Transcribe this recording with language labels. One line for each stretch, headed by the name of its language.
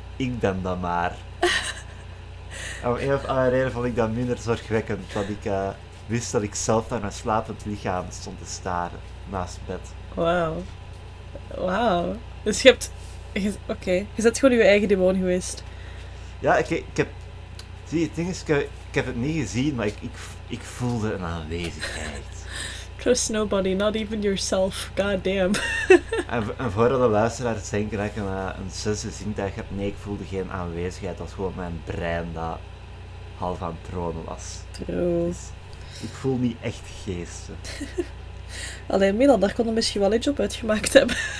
Dutch: Ik ben dan maar... Om een of andere reden vond ik dat minder zorgwekkend, dat ik wist dat ik zelf naar mijn slapend lichaam stond te staren, naast bed. Wauw. Dus je hebt... Je bent gewoon je eigen demon geweest. Ja, ik heb... Zie, het ding is, ik heb het niet gezien, maar ik voelde een aanwezigheid.
English: Trust nobody, not even yourself, goddamn.
Dutch: En voordat de luisteraars denken dat ik een zesde zintuig heb, nee, ik voelde geen aanwezigheid, dat was gewoon mijn brein dat half aan het tronen was. True. Dus ik voel niet echt geesten. Alleen Milan, daar kon er misschien wel iets op uitgemaakt hebben.